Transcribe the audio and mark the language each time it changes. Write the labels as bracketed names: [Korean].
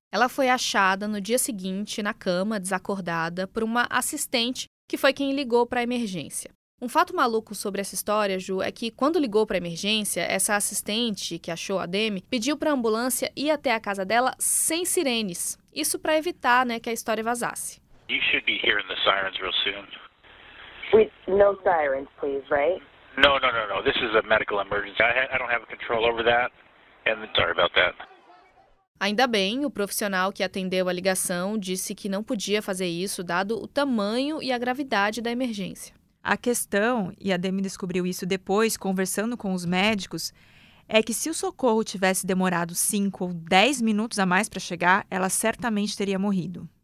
[Portuguese] Ela foi achada no dia seguinte, na cama, desacordada, por uma assistente que foi quem ligou para a emergência. Um fato maluco sobre essa história, Ju, é que quando ligou para a emergência, essa assistente que achou a Demi pediu para a ambulância ir até a casa dela sem sirenes. Isso para evitar, né, que a história vazasse. [English] You should be hearing the sirens real soon. With no sirens, please, right? No. This is a medical emergency. I don't have control over that. And sorry about that. [Portuguese] Ainda bem, o profissional que atendeu a ligação disse que não podia fazer isso, dado o tamanho e a gravidade da emergência. A questão, e a Demi descobriu isso depois, conversando com os médicos, é que se o socorro tivesse demorado 5 ou 10 minutos a mais para chegar, ela certamente teria morrido.